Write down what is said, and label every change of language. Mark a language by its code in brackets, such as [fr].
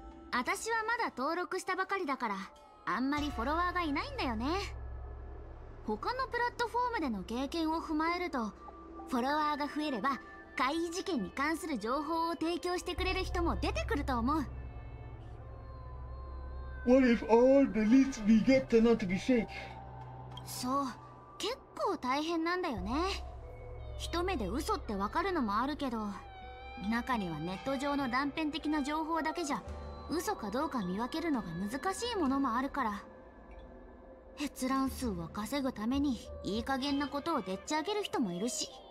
[ja] 私はまだ登録したばかりだから、あんまりフォロワーがいないんだよね。他のプラットフォームでの経験を踏まえると、フォロワーが増えれば、怪異事件に関する情報を提供してくれる人も出てくると思う。 [en] What if all the leads we get turn out to be fake? [ja] そう、結構大変なんだよね。一目で嘘ってわかるのもあるけど、中にはネット上の断片的な情報だけじゃ嘘かどうか見分けるのが難しいものもあるから、閲覧数を稼ぐためにいい加減なことをでっち上げる人もいるし。